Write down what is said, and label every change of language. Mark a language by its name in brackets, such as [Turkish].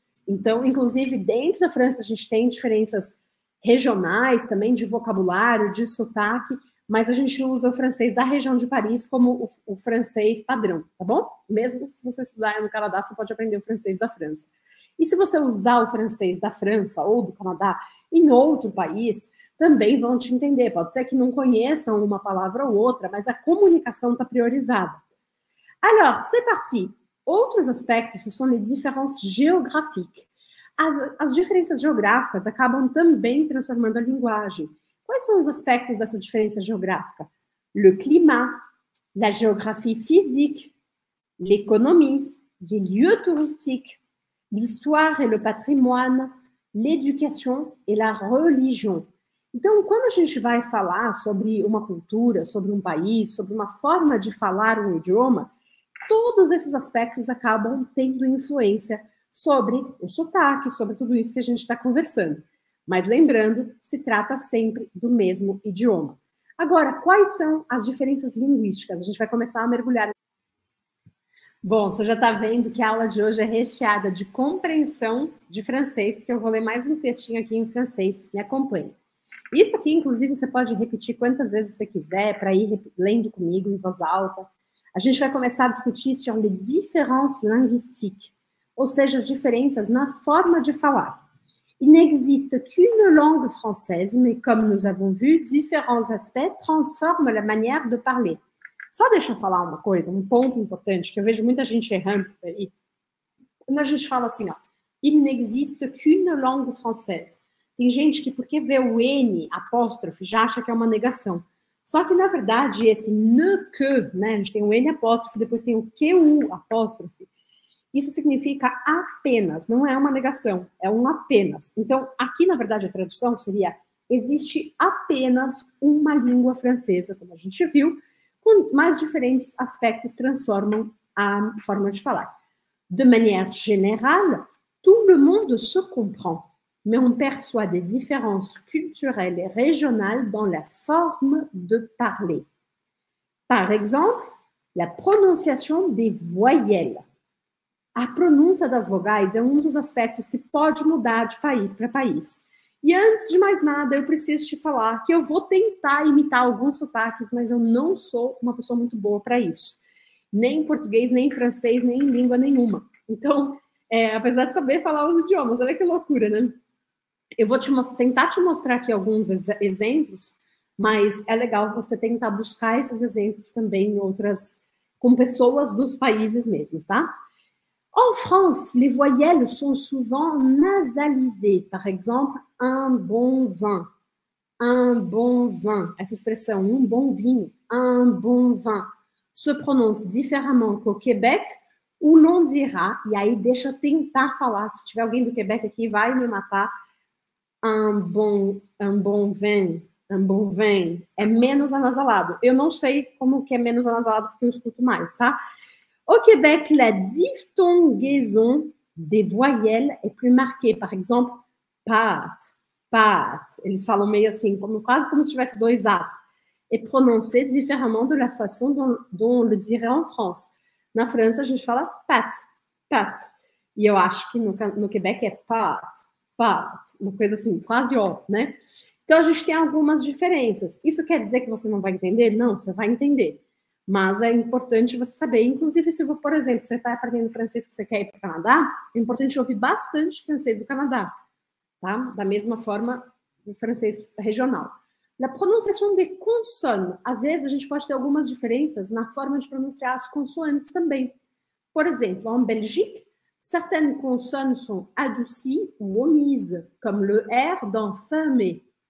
[Portuguese] Então, inclusive, dentro da França a gente tem diferenças regionais também de vocabulário, de sotaque, mas a gente usa o francês da região de Paris como o francês padrão, tá bom? Mesmo se você estudar no Canadá, você pode aprender o francês da França. E se você usar o francês da França ou do Canadá em outro país, também vão te entender. Pode ser que não conheçam uma palavra ou outra, mas a comunicação está priorizada. [French] Alors, c'est parti. [Portuguese] Outros aspectos, [French] ce sont les différences géographiques. [Portuguese] As diferenças geográficas acabam também transformando a linguagem. Quais são os aspectos dessa diferença geográfica? [French] Le climat, la géographie physique, l'économie, les lieux touristiques, l'histoire et le patrimoine, l'éducation et la religion. [Portuguese] Então, quando a gente vai falar sobre uma cultura, sobre um país, sobre uma forma de falar um idioma, todos esses aspectos acabam tendo influência sobre o sotaque, sobre tudo isso que a gente está conversando. Mas lembrando, se trata sempre do mesmo idioma. Agora, quais são as diferenças linguísticas? A gente vai começar a mergulhar. Bom, você já está vendo que a aula de hoje é recheada de compreensão de francês, porque eu vou ler mais um textinho aqui em francês. Me acompanhe. Isso aqui, inclusive, você pode repetir quantas vezes você quiser para ir lendo comigo em voz alta. A gente vai começar a discutir sobre [French] différence linguistique, [Portuguese] ou seja, as diferenças na forma de falar. [French] Il n'existe qu'une langue française, mais comme nous avons vu, différents aspects transforment la manière de parler. [Portuguese] Só deixa eu falar uma coisa, um ponto importante, que eu vejo muita gente errando por aí. Quando a gente fala assim, ó, [French] il n'existe qu'une langue française. [Portuguese] Tem gente que, porque vê o N apóstrofe, já acha que é uma negação. Só que, na verdade, esse ne que, né, a gente tem o N apóstrofe, depois tem o QU apóstrofe. Isso significa apenas, não é uma negação, é um apenas. Então, aqui, na verdade, a tradução seria: existe apenas uma língua francesa, como a gente viu, com mais diferentes aspectos transformam a forma de falar. [French] De manière générale, tout le monde se comprend, mais on perçoit des différences culturelles et régionales dans la forme de parler. Par exemple, la prononciation des voyelles. [Portuguese] A pronúncia das vogais é um dos aspectos que pode mudar de país para país. E antes de mais nada, eu preciso te falar que eu vou tentar imitar alguns sotaques, mas eu não sou uma pessoa muito boa para isso. Nem em português, nem em francês, nem em língua nenhuma. Então, apesar de saber falar os idiomas, olha que loucura, né? Eu vou tentar te mostrar aqui alguns exemplos, mas é legal você tentar buscar esses exemplos também em outras, com pessoas dos países mesmo, tá? [French] En France, les voyelles sont souvent nasalisées. Par exemple, un bon vin. Un bon vin, [Portuguese] essa expressão, um bom vinho, [French] un bon vin, [Portuguese] se pronuncia diferentemente com o Quebec, o [French] l'on dira, [Portuguese] e aí deixa eu tentar falar, se tiver alguém do Quebec aqui, vai me matar. [French] Un bon vin, [Portuguese] é menos anasalado. Eu não sei como que é menos anasalado, porque eu escuto mais, tá? [French] Au Québec, la diphtongaison des voyelles est plus marquée. Par exemple, pâte, pâte. [Portuguese] Eles falam meio assim, quase como se tivesse dois As. [French] É prononcé différemment de la façon dont on le dirait en France. [Portuguese] Na França, a gente fala [French] pâte, pâte. [Portuguese] E eu acho que no Québec é pâte, pâte. Uma coisa assim, quase ó, né? Então, a gente tem algumas diferenças. Isso quer dizer que você não vai entender? Não, você vai entender. Mas é importante você saber, inclusive se, por exemplo, você está aprendendo francês que você quer ir para o Canadá, é importante ouvir bastante francês do Canadá, tá? Da mesma forma, o francês regional. Na pronunciação de consonne, às vezes a gente pode ter algumas diferenças na forma de pronunciar as consoantes também. Por exemplo, em [French] Belgique, certaines consonnes sont adoucies ou omises, comme le R dans fermé.